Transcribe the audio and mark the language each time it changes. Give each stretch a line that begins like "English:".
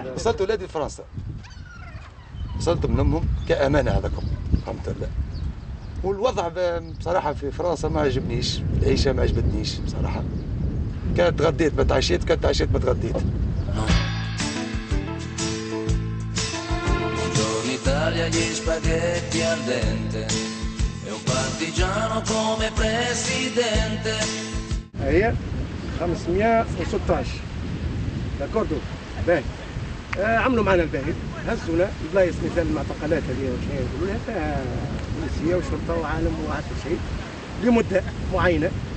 Arabic: وصلت ولادي لفرنسا وصلت من أمهم كأمانة هذاكم الحمد لله. والوضع بصراحة في فرنسا ما عجبنيش العيشة ما عجبتنيش بصراحة كانت تغديت ما تعشيت كانت تعشيت ما تغديت.
Italian: Gli spaghetti al dente e un partigiano come presidente.
Arabic: هي 516
Italian: d'accordo bene
Arabic: عملوا معنا البيت هزونا بلايص مثل المعتقلات هذه وش هي يقولوا لها فيها نسيه وشرطه وعالم وعارف شيء لمده معينه.